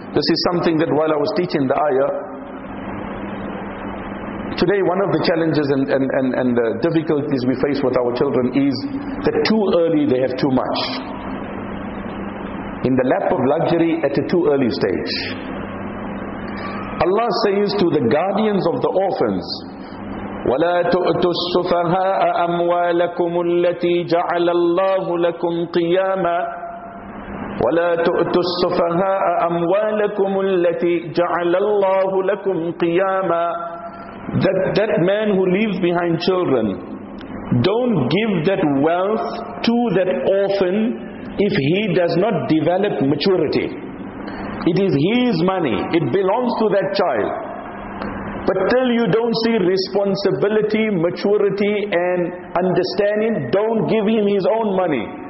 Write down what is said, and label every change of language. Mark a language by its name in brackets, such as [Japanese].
[English] This is something that while I was teaching the ayah, today one of the challenges and the difficulties we face with our children is that too early they have too much. In the lap of luxury at a too early stage. Allah says to the guardians of the orphans, [Arabic] وَلَا تُؤْتُوا السُّفَهَاءَ أَمْوَالَكُمُ الَّتِي جَعَلَ اللَّهُ لَكُمْ قِيَامًا وَلَا تُؤْتُوا السُّفَهَاءَ أَمْوَالَكُمُ الَّتِي جَعَلَ اللَّهُ لَكُمْ قِيَامًا. [English] That man who leaves behind children, don't give that wealth to that orphan if he does not develop maturity. It is his money. It belongs to that child. But till you don't see responsibility, maturity and understanding, don't give him his own money.